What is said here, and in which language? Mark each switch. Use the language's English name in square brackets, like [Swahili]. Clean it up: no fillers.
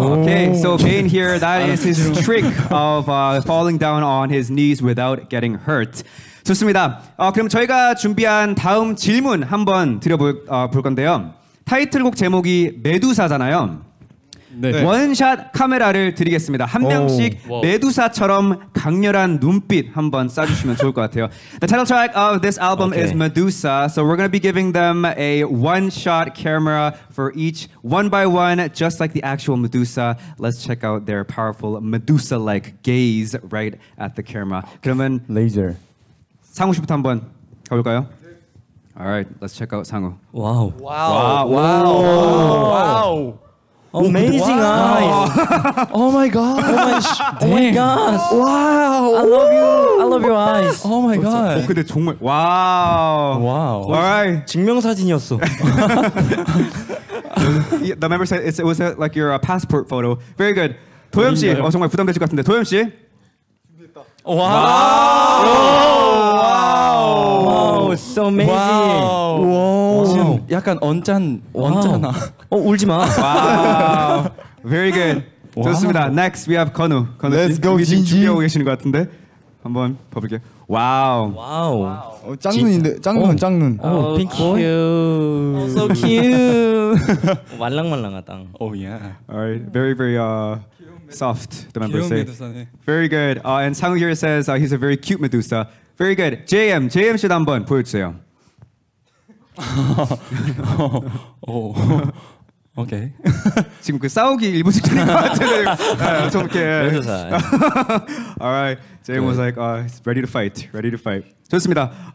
[English] Okay, so Bane here, that is his trick of falling down on his knees without getting hurt. [Korean] 좋습니다. 그럼 저희가 준비한 다음 질문 한번 드려볼 건데요. 타이틀곡 제목이 메두사잖아요. 네. 원샷 카메라를 드리겠습니다. 한 명씩 메두사처럼 강렬한 눈빛 한번 쏴주시면 좋을 것 같아요. [English] The title track of this album okay. is Medusa, so we're going to be giving them a one-shot camera for each one by one, just like the actual Medusa. Let's check out their powerful Medusa-like gaze right at the camera. [Korean] 그러면 [English] laser. [Korean] 상우 씨부터 한번 가볼까요? [English] All right, let's check out 상우. Wow. Wow. Wow. Wow. Wow. Wow. Amazing wow. eyes! Oh my god! Oh my, oh my god! Wow! I love you! I love your eyes! Oh my god! [Korean] 근데 정말 와우! 와우! [English] Alright! [Korean] 증명사진이었어. [English] The member said it was like your passport photo. Very good. [Korean] 도현 씨, 정말 부담되실 것 같은데 도현 씨. 준비했다. [English] Wow! Wow! Wow! So amazing! Wow! [Korean] 약간 언짢 언짢아. 어 울지 마. 와. [English] Very good. [Korean] 와우. 좋습니다. [English] Next we have 건우. 건우 Let's [Korean] 씨. [English] go [Korean] 진지. 준비하고 계시는 것 같은데 한번 봐볼게요. 와우. 와우. 짱눈인데 짱눈 짱눈. 오 핑크 보이. [English] So cute. [Korean] 말랑말랑하다. [English] Oh yeah. All right. Very very soft. The members say. [Korean] 메두사네. [English] Very good. And 상우 here says he's a very cute Medusa. Very good. JM. [Korean] JM 씨도 한번 보여주세요. 오, 오케이. 지금 그 싸우기 일부 직전인 것 같은데 좀 이렇게. 메두사. [English] Alright, Jim was like, ready to fight, ready to fight. [Korean] 좋습니다.